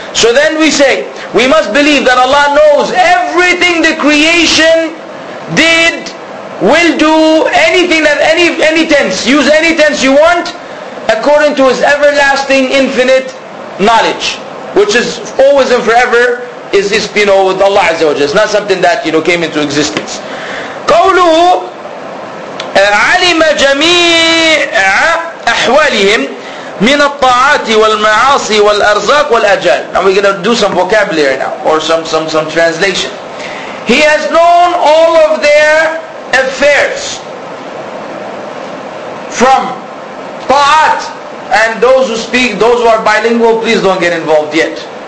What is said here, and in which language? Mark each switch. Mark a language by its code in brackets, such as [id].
[en] So then we say, we must believe that Allah knows everything the creation did, will do, anything that any tense, use any tense you want, according to His everlasting, infinite knowledge, which is always and forever, is you know, with Allah Azza wa Jalla. It's not something that, you know, came into existence. [ar] قَوْلُهُ عَلِمَ جَمِيعَ أَحْوَالِهِمْ من الطاعات والمعاصي والأرزاق والأجال. [en] Now we're going to do some vocabulary now, or some translation. He has known all of their affairs, from ta'at, and those who speak, those who are bilingual, please don't get involved yet.